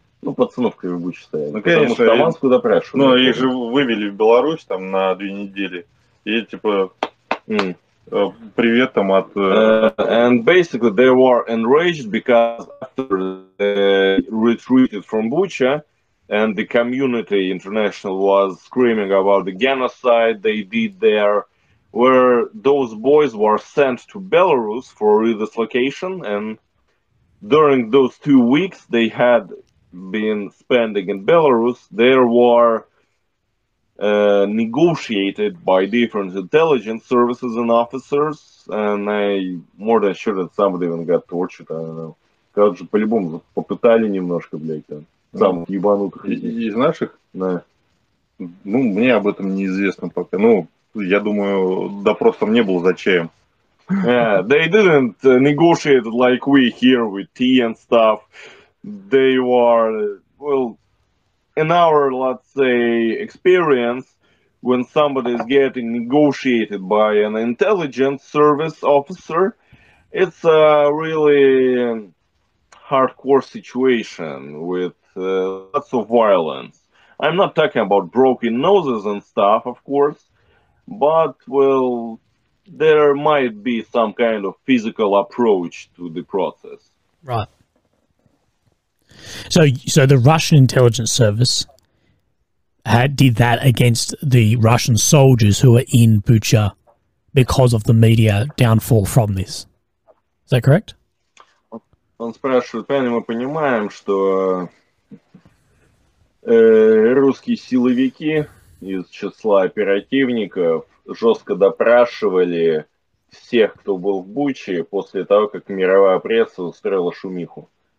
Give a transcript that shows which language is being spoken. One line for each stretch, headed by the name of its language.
Russian: Ну, пацанов Кривобучи стояли. Ну, конечно. Потому что Таманскую допрашивали. Ну, их же вывели в Беларусь там на 2 недели, и типа, привет там от...
English: And basically, they were enraged, because after they retreated from Bucha, and the community international was screaming about the genocide they did there, where those boys were sent to Belarus for redislocation, and during those 2 weeks they had been spending in Belarus, there were negotiated by different intelligence services and officers, and I more than sure that somebody even got tortured, I don't know.
Russian: Короче, по-любому попытали немножко, блядь, там, самых ебанутых из наших? Да. Ну, мне об этом неизвестно пока, ну... Я думаю, допрос там не был за чаем.
English: Yeah, they didn't negotiate like we here with tea and stuff. They were, well, in our, let's say, experience, when somebody is getting negotiated by an intelligence service officer, it's a really hardcore situation with lots of violence. I'm not talking about broken noses and stuff, of course. But, well, there might be some kind of physical approach to the process. Right. So the Russian intelligence service did that against the Russian soldiers who were in Bucha because of the media downfall from this. Is that correct?
Russian: Он спрашивает, правильно мы понимаем, что русские силовики из числа оперативников жестко допрашивали всех, кто был в Буче, после того, как мировая пресса устроила шумиху.